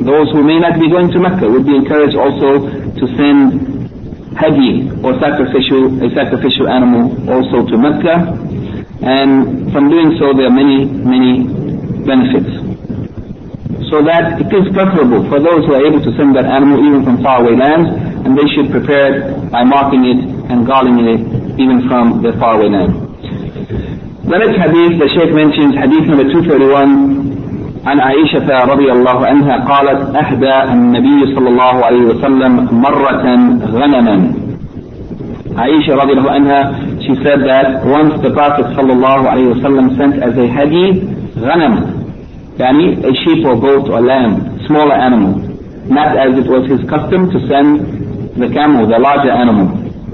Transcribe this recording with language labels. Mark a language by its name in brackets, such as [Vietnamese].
[English] Those who may not be going to Mecca would be encouraged also to send hadi or a sacrificial animal also to Mecca, and from doing so there are many, many benefits. So that it is preferable for those who are able to send that animal even from faraway lands, and they should prepare it by marking it and garlanding it even from the faraway land. The next hadith, the Shaykh mentions hadith number 231, [Arabic] عن عائشة رضي الله عنها قالت أهدى النبي صلى الله عليه وسلم مرة غنما. [English] عائشة رضي الله عنها, she said that once the Prophet صلى الله عليه وسلم sent as a hadi غنم, يعني a sheep or goat or lamb, smaller animal, not as it was his custom to send the camel, the larger animal.